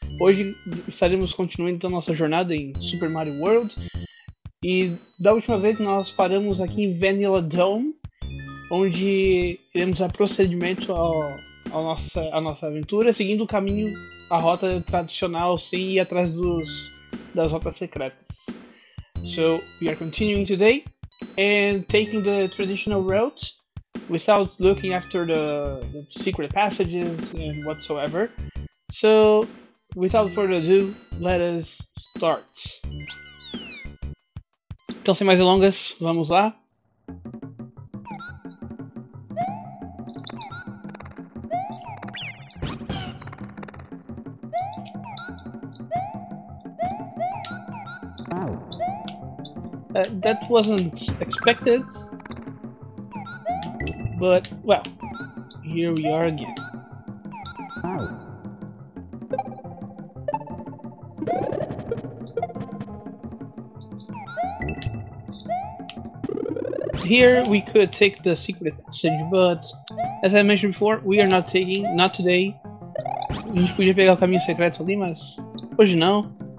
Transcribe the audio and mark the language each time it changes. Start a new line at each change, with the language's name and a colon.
Portuguese: Hoje estaremos continuando a nossa jornada em Super Mario World. E da última vez nós paramos aqui em Vanilla Dome, onde iremos dar procedimento à nossa aventura, seguindo o caminho, a rota tradicional, sem ir atrás das rotas secretas.
English: So, we are continuing today, and taking the traditional route, without looking after the secret passages and whatsoever. So, without further ado, let us start.
Portuguese: Então, sem mais delongas, vamos lá.
English: That wasn't expected, but, well, here we are again. Here we could take the secret passage, but as I mentioned before, we are not taking, not today.
Portuguese: A gente podia pegar o caminho secreto ali, mas hoje não.